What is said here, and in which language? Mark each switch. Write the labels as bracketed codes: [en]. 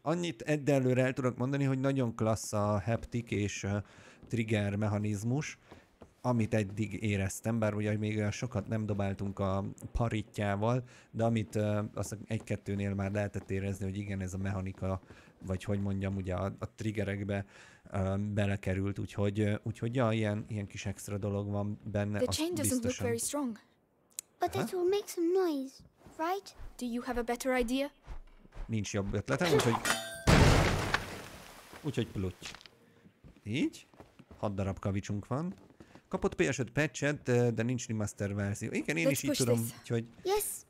[hu] Annyit egyelőre el tudok mondani, hogy nagyon klassz a haptic és trigger mechanizmus, amit eddig éreztem, bár ugye még sokat nem dobáltunk a paritjával, de amit azt egy-kettőnél már lehetett érezni, hogy igen, ez a mechanika, vagy hogy mondjam, ugye a triggerekbe belekerült, úgyhogy ja, ilyen kis extra dolog van benne, [en] the chain doesn't [hu] biztosan... [en] look very strong. But it will make some noise, right? Do you have a better idea? [hu] Nincs jobb ötletem, úgyhogy... úgyhogy plutty. Így? 6 darab kavicsunk van. Kapott PS5 patchet, de nincs remaster verzió. Igen, én is így tudom, úgyhogy... [en] Yes!